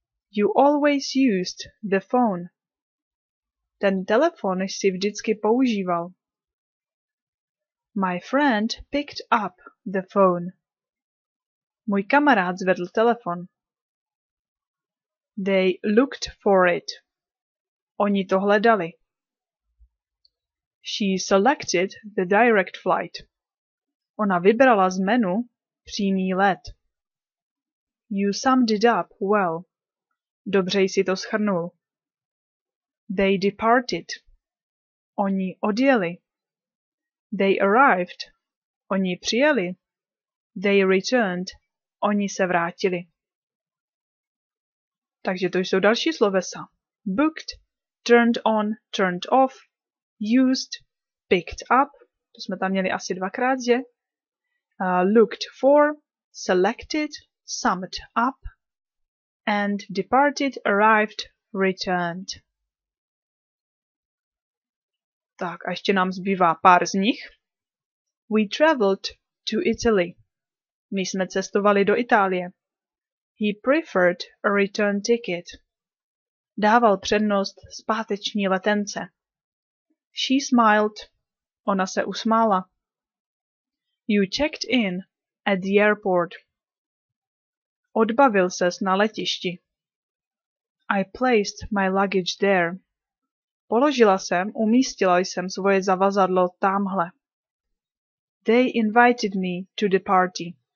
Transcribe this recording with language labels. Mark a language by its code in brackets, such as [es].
[en] You always used the phone. [cs] Ten telefon jsi vždycky používal. [en] My friend picked up the phone. [cs] Můj kamarád zvedl telefon. [en] They looked for it. [cs] Oni to hledali. [en] She selected the direct flight. [cs] Ona vybrala z menu přímý let. [en] You summed it up well. [cs] Dobře jsi to shrnul. [en] They departed. [cs] Oni odjeli. [en] They arrived. [cs] Oni přijeli. [en] They returned. [cs] Oni se vrátili. Takže to jsou další slovesa. [en] Booked, turned on, turned off, used, picked up, [cs] to jsme tam měli asi dvakrát, že? [en] Looked for, selected, summed up, and departed, arrived, returned. [cs] Tak a ještě nám zbývá pár z nich. [en] We traveled to Italy. [cs] My jsme cestovali do Itálie. [en] He preferred a return ticket. [cs] Dával přednost zpáteční letence. [en] She smiled. [cs] Ona se usmála. [en] You checked in at the airport. [cs] Odbavil ses na letišti. [en] I placed my luggage there. [cs] Umístila jsem svoje zavazadlo tamhle. [en] They invited me to the party.